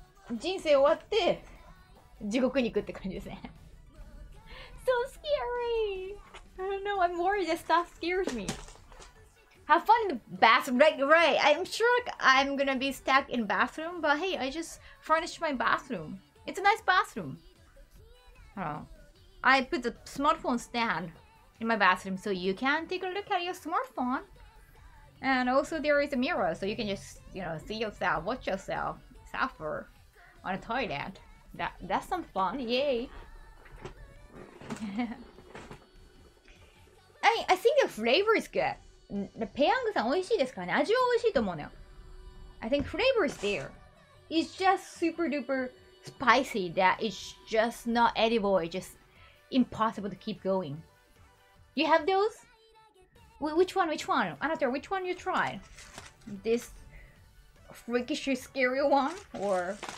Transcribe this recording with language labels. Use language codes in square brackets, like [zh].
[ja] 人生終わって 地獄に行くって感じですね. [en] So scary! I don't know, I'm worried that stuff scares me. Have fun in the bathroom, right? I'm sure like, I'm gonna be stuck in bathroom, but hey, I just furnished my bathroom. It's a nice bathroom. I put the smartphone stand in my bathroom so you can take a look at your smartphone. And also there is a mirror so you can just, you know, see yourself, watch yourself suffer on a toilet. That's some fun, yay! I think the flavor is good. [ja] The ペヤングさん美味しいですからね?味は美味しいと思うのよ. [en] I think flavor is there. It's just super duper spicy that it's just not edible. It's just impossible to keep going. You have those? Which one? I don't know, which one you tried? This freakishly scary one? Or...